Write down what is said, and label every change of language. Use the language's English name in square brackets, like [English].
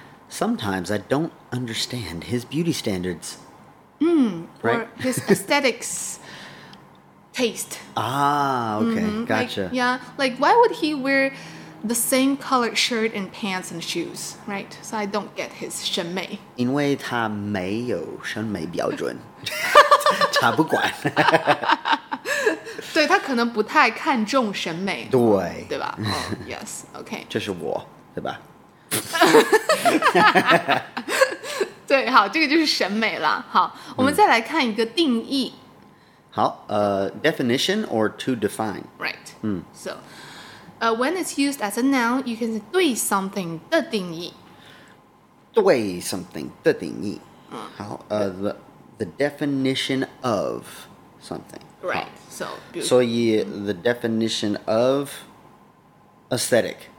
[English] Sometimes I don't understand his beauty standards. Mm, right? Or his aesthetics taste. Ah, okay, mm-hmm. Gotcha. Like, yeah, like why would he wear the same colored shirt and pants and shoes, right? So I don't get his 审美. [Chinese] 因为他没有审美标准，他不管。对，他可能不太看重审美。对。对吧？哦、 [English] oh, yes, okay. [Chinese] 这是我，对吧？对，好，这个就是审美了。好，我们再来看一个定义。 [English] 好，definition or to define. Right. 嗯。 So, when it's used as a noun, you can say [Chinese] 对 something 的定义。对 something 的定义。好， [English] the definition of something. Right. So, [Chinese] 比如说。所以 [English] the definition of aesthetic.